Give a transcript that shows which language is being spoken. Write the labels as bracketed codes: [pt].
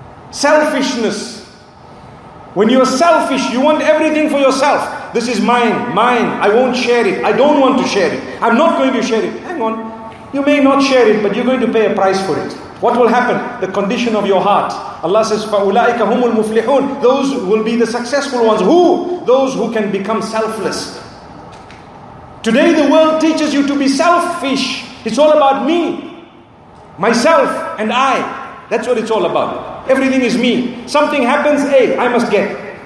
[en] Selfishness. When you are selfish, you want everything for yourself. This is mine, mine. I won't share it. I don't want to share it. I'm not going to share it. Hang on. You may not share it, but you're going to pay a price for it. What will happen? The condition of your heart. [ar] Allah says, فَأُولَٰئِكَ هُمُ الْمُفْلِحُونَ. [en] Those will be the successful ones. Who? Those who can become selfless. Today the world teaches you to be selfish. It's all about me, myself and I. That's what it's all about. Everything is me. Something happens, hey, I must get.